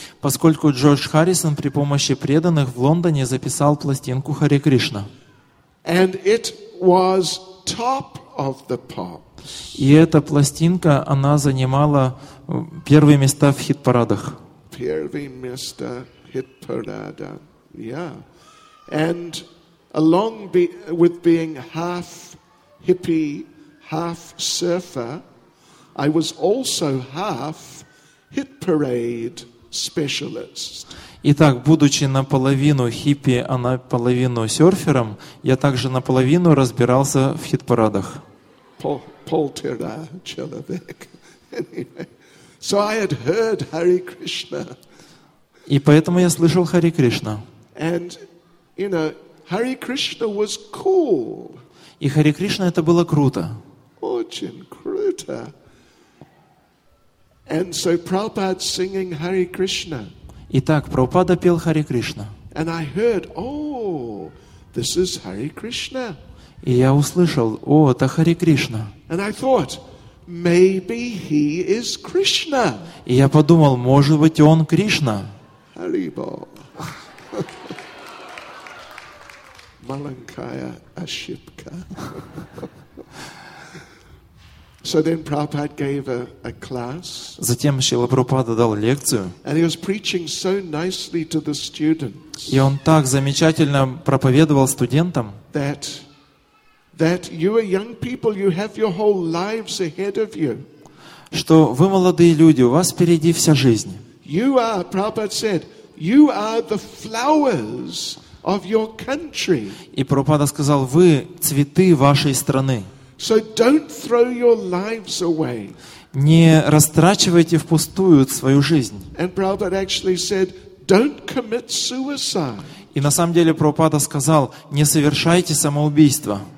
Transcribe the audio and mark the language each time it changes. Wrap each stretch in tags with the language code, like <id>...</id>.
<ru>Поскольку Джордж Харрисон при помощи преданных в Лондоне записал пластинку Харе Кришна.</ru> <en>And it was top of the pop.</en> <ru>И эта пластинка, она занимала первые места в хит-парадах. Первые места хит-парада.</ru> <en>Yeah. And along with being half hippie, half surfer, I was also half hit parade specialist.</en> <ru>Итак, будучи наполовину хиппи, а наполовину серфером, я также наполовину разбирался в хит-парадах. Полтора человек.</ru> <en>Anyway. So I had heard Hare Krishna.</en> <ru>И поэтому я слышал Харе Кришна.</ru> <en>And you know, Hare Krishna was cool.</en> <ru>И Харе Кришна это было круто. Очень круто.</ru> <en>And so Prabhupada singing Hare Krishna.</en> <ru>Итак, Прабхупада пел Харе Кришна.</ru> <en>And I heard, oh, this is Hare Krishna.</en> <ru>И я услышал, о, это Харе Кришна.</ru> <en>And I thought, maybe he is Krishna.</en> <ru>И я подумал, может быть, он Кришна. Харибо. Маленькая ошибка.</ru> <en>So then Prabhupada gave a class.</en> <ru>Затем Шрила Прабхупада дал лекцию.</ru> <en>And he was preaching so nicely to the students.</en> <ru>И он так замечательно проповедовал студентам.</ru> <en>That you are young people, you have your whole lives ahead of you.</en> <ru>Что вы молодые люди, у вас впереди вся жизнь.</ru> <en>You are, Prabhupada said, you are the flowers of your country.</en> <ru>И Прабхупада сказал: вы цветы вашей страны.</ru> <en>So don't throw your lives away.</en> <ru>Не растрачивайте впустую свою жизнь.</ru> <en>And Prabhupada actually said, don't commit suicide.</en> <ru>И на самом деле Прабхупада сказал: не совершайте самоубийство.</ru>